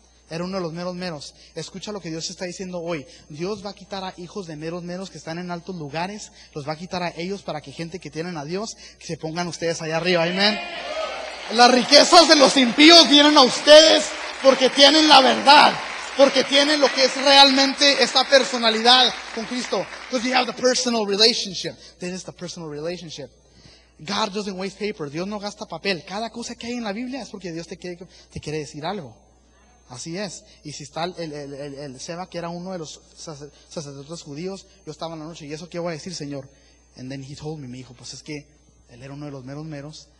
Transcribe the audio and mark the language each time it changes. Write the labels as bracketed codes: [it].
[es] Era uno de los meros meros. Escucha lo que Dios está diciendo hoy. Dios va a quitar a hijos de meros meros que están en altos lugares, los va a quitar a ellos para que gente que tienen a Dios, que se pongan ustedes allá arriba, amén. Las riquezas de los impíos vienen a ustedes porque tienen la verdad, porque tienen lo que es realmente esta personalidad con Cristo. [en] Because you have the personal relationship. Then it's the personal relationship. God doesn't waste paper. [es] Dios no gasta papel. Cada cosa que hay en la Biblia es porque Dios te quiere decir algo. Así es. Y si está el Seba, que era uno de los sacerdotes judíos, yo estaba en la noche, ¿y eso qué voy a decir, Señor? [en] And then he told me, [es] me dijo, pues es que él era uno de los meros meros.